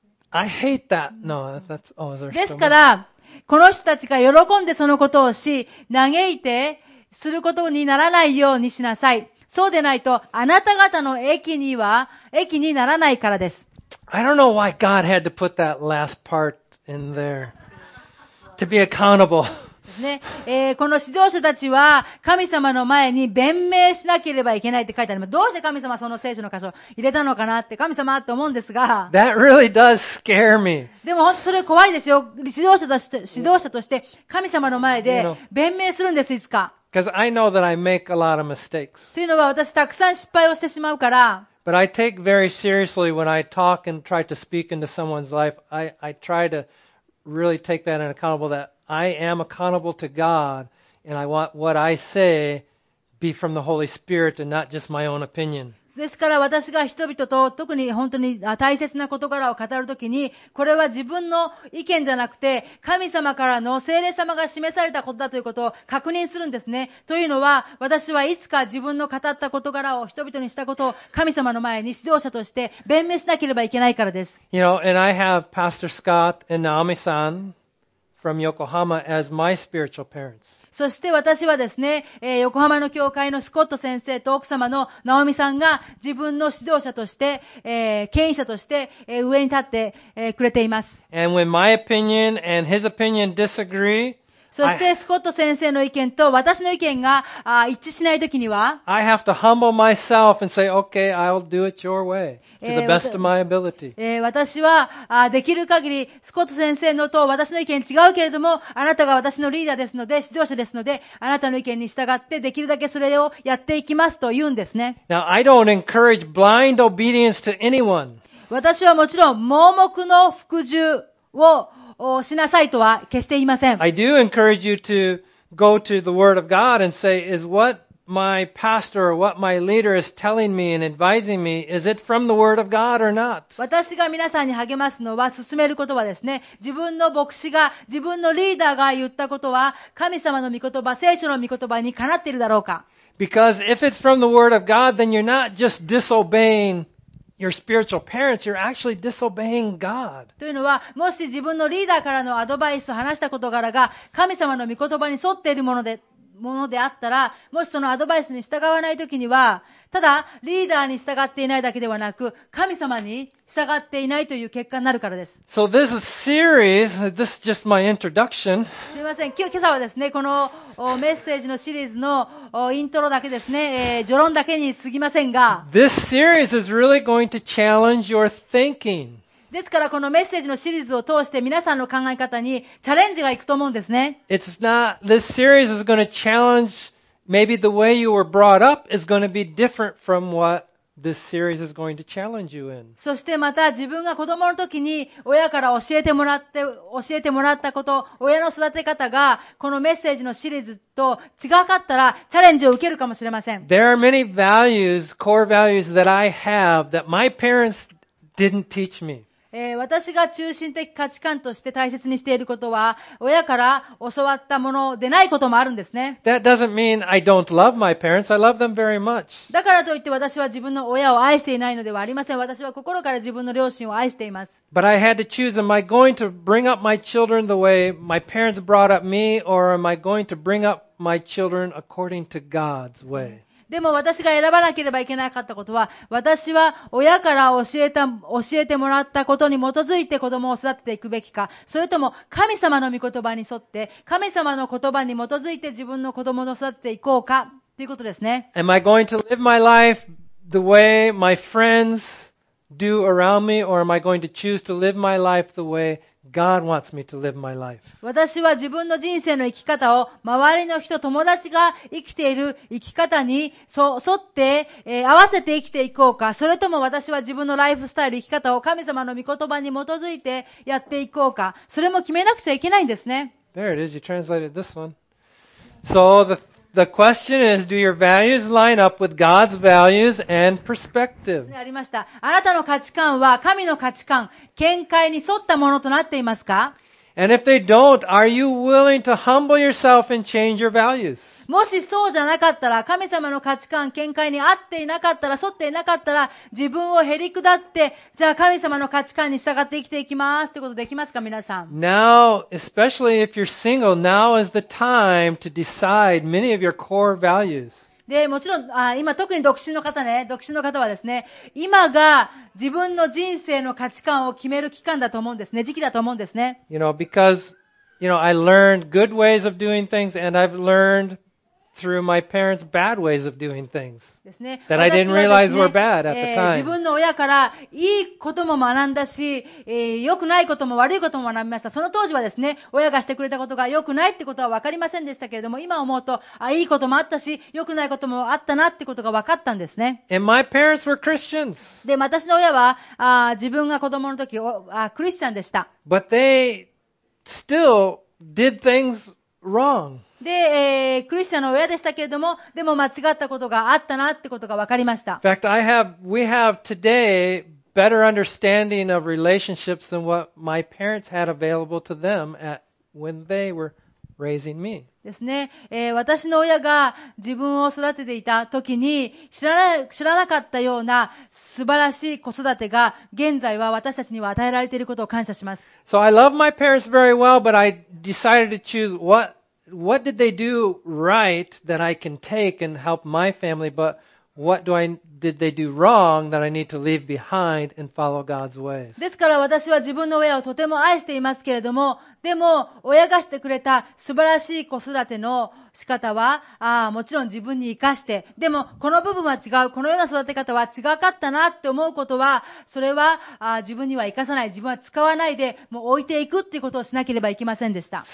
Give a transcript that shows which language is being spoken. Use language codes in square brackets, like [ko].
[en] I hate that. No, that's all there is. [ja] ですから、この人たちが喜んでそのことをし、嘆いてすることにならないようにしなさい。そうでないと、あなた方の益にならないからです。 [en] I don't know why God had to put that last part in there to be accountable. [ja] ですね。この指導者たちは神様の前に弁明しなければいけないって書いてあります。どうして神様はその聖書の箇所を入れたのかなって神様って思うんですが。 [en] That really does scare me. [ja] でも本当それ怖いですよ。指導者として神様の前で弁明するんですいつか。 [en] Because I know that I make a lot of mistakes. [ja] というのは私たくさん失敗をしてしまうから。 [en] But I take very seriously when I talk and try to speak into someone's life. I try to really take that in accountable that I am accountable to God, and I want what I say be from the Holy Spirit and not just my own opinion. [ja] ですから私が人々と特に本当に大切な事柄を語るときに、これは自分の意見じゃなくて、神様からの聖霊様が示されたことだということを確認するんですね。というのは、私はいつか自分の語った事柄を人々にしたことを神様の前に指導者として弁明しなければいけないからです。 [en] You know, and I have Pastor Scott and Naomi-san from Yokohama as my spiritual parents. [ja] そして私はですね、横浜の教会のスコット先生と奥様のナオミさんが自分の指導者として、権威者として、上に立って、くれています。 [en] And when my opinion and his opinion disagree, [ja] そしてスコット先生の意見と私の意見が一致しないときには、 [en] I have to humble myself and say, okay, I'll do it your way, to the best of my ability. [ja] 私はできる限り、スコット先生のと私の意見違うけれども、あなたが私のリーダーですので、指導者ですので、あなたの意見に従ってできるだけそれをやっていきますと言うんですね。 [en] Now, I don't encourage blind obedience to anyone. [ja] 私はもちろん盲目の服従をしなさいとは決して言いません。 [en] I do encourage you to go to the Word of God and say, is what my pastor or what my leader is telling me and advising me, is it from the Word of God or not? [ja] 私が皆さんに励ますのは、進めることはですね、自分の牧師が、自分のリーダーが言ったことは、神様の御言葉、聖書の御言葉にかなっているだろうか。 [en] Because if it's from the Word of God, then you're not just disobeying. Your spiritual parents, you're actually disobeying God. [ja] というのは、もし自分のリーダーからのアドバイスと話した事柄が神様の御言葉に沿っているものであったら、もしそのアドバイスに従わないときには、ただリーダーに従っていないだけではなく、神様に従っていないという結果になるからです。 [en] So this is series. This is just my introduction. [ja] すみません。今朝はですね、このメッセージのシリーズのイントロだけですね、序論だけに過ぎませんが。 [en] This series is really going to challenge your thinking. [ja] ですからこのメッセージのシリーズを通して皆さんの考え方にチャレンジがいくと思うんですね。 [en] It's not, this series is going to challenge maybe the way you were brought up is going to be different from what this series is going to challenge you in. [ja] そしてまた自分が子供の時に親から教えてもらったこと、親の育て方がこのメッセージのシリーズと違かったらチャレンジを受けるかもしれません。 [en] There are many values, core values that I have that my parents didn't teach me. [ja] 私が中心的価値観として大切にしていることは、親から教わったものでないこともあるんですね。 [en] That doesn't mean I don't love my parents. I love them very much. [ja] だからといって私は自分の親を愛していないのではありません。私は心から自分の両親を愛しています。 [en] But I had to choose, am I going to bring up my children the way my parents brought up me, or am I going to bring up my children according to God's way? [ja] でも私が選ばなければいけなかったことは、私は親から教えてもらったことに基づいて子供を育てていくべきか、それとも神様の御言葉に沿って、神様の言葉に基づいて自分の子供を育てていこうか、ということですね。 [en] Am I going to live my life the way my friends do around me, or am I going to choose to live my life the way God wants me to live my life. [ja] 私は自分の人生の生き方を周りの人、友達が生きている生き方に沿って、合わせて生きていこうか、それとも私は自分のライフスタイル、生き方を神様の御言葉に基づいてやっていこうか、それも決めなくちゃいけないんですね。 [en] There it is. You translated this one. So the question is, do your values line up with God's values and perspective? [ja] ありました。あなたの価値観は神の価値観、見解に沿ったものとなっていますか? [en] And if they don't, are you willing to humble yourself and change your values? [ja] もしそうじゃなかったら、神様の価値観、見解に合っていなかったら、沿っていなかったら、自分をへり下って、じゃあ神様の価値観に従って生きていきますってことできますか、皆さん。 [en] Now, especially if you're single, now is the time to decide many of your core values. [ja] で、もちろん、今特に独身の方ね、独身の方はですね、今が自分の人生の価値観を決める期間だと思うんですね、時期だと思うんですね。 [en] You know, because, you know, I learned good ways of doing things and I've learned through my parents' bad ways of doing things that I didn't realize were bad at the time. [ja] 自分の親からいいことも学んだし、良くないことも悪いことも学びました。その当時はですね、親がしてくれたことが良くないってことは分かりませんでしたけれども、今思うと、あ、いいこともあったし、良くないこともあったなってことが分かったんですね。 [en] And my parents were Christians. [ja] で、私の親は、自分が子供の時、クリスチャンでした。 [en] But they still did things wrong. [ja] で、クリスチャンの親でしたけれども、でも間違ったことがあったなってことが分かりました。 [en] In fact, we have today better understanding of relationships than what my parents had available to them at, when they were raising me. [ja] ですね、私の親が自分を育てていた時に知らなかったような素晴らしい子育てが現在は私たちには与えられていることを感謝します。 [en] So I love my parents very well, but I decided to choose what did they do right that I can take and help my family, but what do I, did they do wrong that I need to leave behind and follow God's ways? [ja] ですから私は自分の親をとても愛していますけれども、でも親がしてくれた素晴らしい子育ての仕方は、もちろん自分に生かして、でもこの部分は違う、このような育て方は違かったなって思うことは、それは自分には生かさない、自分は使わないで、もう置いていくっていうことをしなければいけませんでした。